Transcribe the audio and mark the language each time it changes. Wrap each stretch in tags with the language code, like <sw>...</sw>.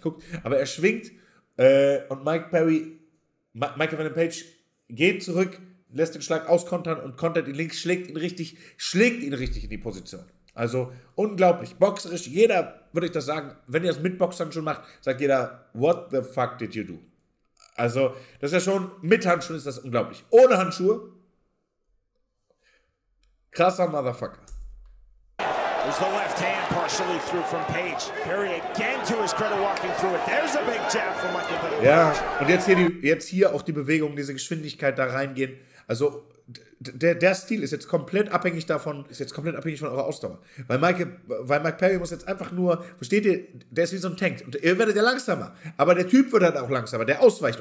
<de>Guckt, aber er schwingt und Michael Van Den Page geht zurück, lässt den Schlag auskontern und kontert ihn links, schlägt ihn richtig in die Position. Also unglaublich, boxerisch, jeder, würde ich das sagen, wenn ihr das mit Boxern schon macht, sagt jeder,</de> <en>what the fuck did you do?</en> <de>Also, das ist ja schon, mit Handschuhen ist das unglaublich. Ohne Handschuhe, krasser Motherfucker.</de> <en>There's the left hand partially through from Page. Perry again to his credit walking through it. There's a big jab from Michael Van Den Page.</en> <de>Ja, und jetzt hier auch die Bewegung, diese Geschwindigkeit da reingehen. Also, der Stil ist jetzt komplett abhängig davon, ist jetzt komplett abhängig von eurer Ausdauer. Weil Mike Perry muss jetzt einfach nur, versteht ihr, der ist wie so ein Tank. Und ihr werdet ja langsamer. Aber der Typ wird halt auch langsamer, der ausweicht.</de>